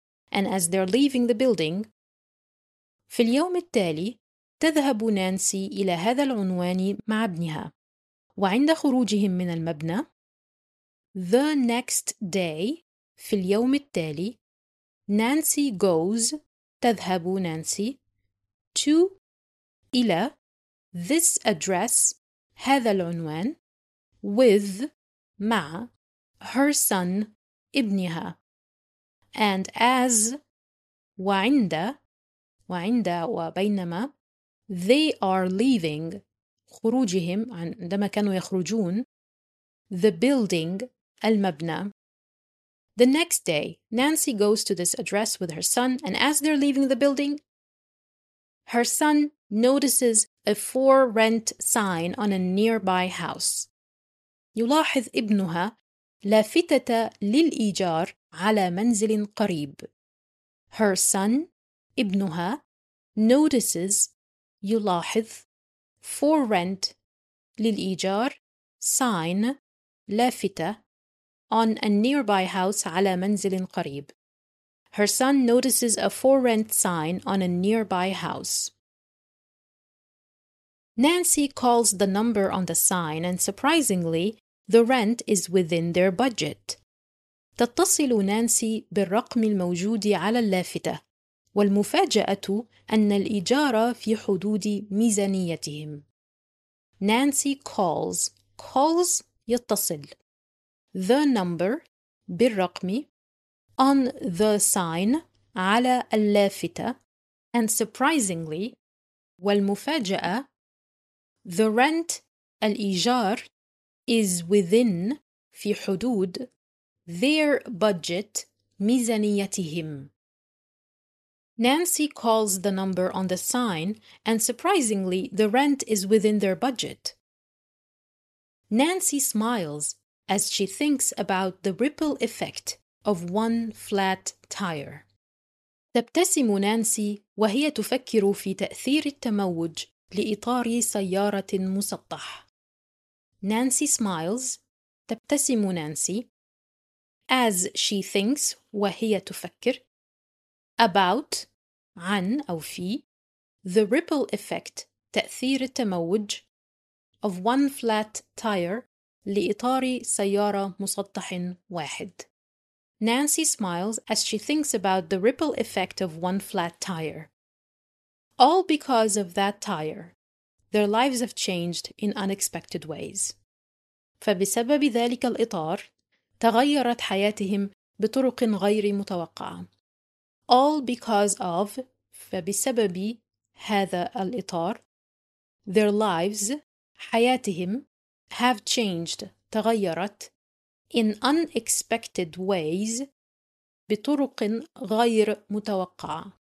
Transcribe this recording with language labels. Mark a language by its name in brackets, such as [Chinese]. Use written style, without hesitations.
[English] And as they're leaving the building, [Arabic] في اليوم التالي تذهب نانسي إلى هذا العنوان مع ابنها. وعند خروجهم من المبنى, [English] the next day, [Arabic] في اليوم التالي, [English] Nancy goes, [Arabic] تذهب نانسي, [English] to, [Arabic] إلى, [English] this address, [Arabic] هذا العنوان, [English] with, [Arabic] مع, [English] her son, [Arabic] ابنها. [English] And as, [Arabic] وعند, وعند وبينما, [English] they are leaving, [Arabic] خروجهم, عندما كانوا يخرجون, [English] the building, [Arabic] المبنى. [English] The next day, Nancy goes to this address with her son, and as they're leaving the building, her son notices a for rent sign on a nearby house. [Arabic] يلاحظ ابنها لافتة للإيجار على منزل قريب. [English] Her son, [Arabic] ابنها, [English] notices, [Arabic] يلاحظ, [English] for rent, [Arabic] للإيجار, [English] sign, [Arabic] لافتة, [English] on a nearby house [Arabic] على منزل قريب. [English] Her son notices a for rent sign on a nearby house. Nancy calls the number on the sign and surprisingly, the rent is within their budget. [Arabic] تتصل نانسي بالرقم الموجود على اللافتة والمفاجأة أن الإيجار في حدود ميزانيتهم. [English] Nancy calls. Calls [Arabic] يتصل. [English] The number [Arabic] بالرقم [English] on the sign [Arabic] على اللافتة [English] and surprisingly [Arabic] والمفاجأة [English] the rent [Arabic] الإيجار [English] is within [Arabic] في حدود [English] their budget [Arabic] ميزانيتهم. [English] Nancy calls the number on the sign and surprisingly the rent is within their budget. Nancy smiles as she thinks about the ripple effect of one flat tire. [Arabic] تبتسم نانسي وهي تفكر في تأثير التموج لإطار سيارة مسطح. [English] Nancy smiles. [Arabic] تبتسم نانسي. [English] As she thinks [Arabic] وهي تفكر. [English] About [Arabic] عن أو في [English] the ripple effect [Arabic] تأثير التموج [English] of one flat tire [Arabic] لإطار سيارة مسطح واحد. [English] Nancy smiles as she thinks about the ripple effect of one flat tire. All because of that tire, their lives have changed in unexpected ways. [Arabic] فبسبب ذلك الإطار تغيرت حياتهم بطرق غير متوقعة. [English] All because of [Arabic] فبسبب هذا الإطار, [English] their lives [Arabic] حياتهم [English] have changed [Arabic] تغيرت [English] in unexpected ways [Arabic] بطرق غير متوقعة.